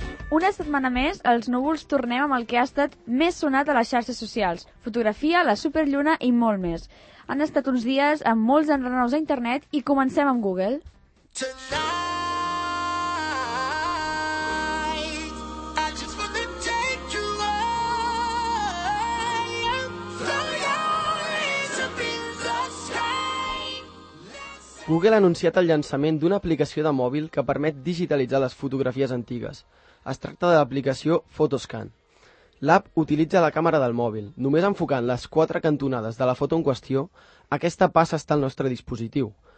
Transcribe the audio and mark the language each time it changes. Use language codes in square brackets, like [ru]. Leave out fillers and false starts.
[ca] Una setmana més, els núvols tornem amb el que ha estat més sonat a les xarxes socials. Fotografia, la superlluna i molt més. Han estat uns dies amb molts enrenous a internet i comencem amb Google. [en] Tonight, I just wanna take you away. So it's up in the sky. [ca] Google ha anunciat el llançament d'una aplicació de mòbil que permet digitalitzar les fotografies antigues. Es tracta de l'aplicació PhotoScan. L'app utilitza la càmera del mòbil. Només enfocant les quatre cantonades de la foto en qüestió, aquesta passa a estar al nostre dispositiu.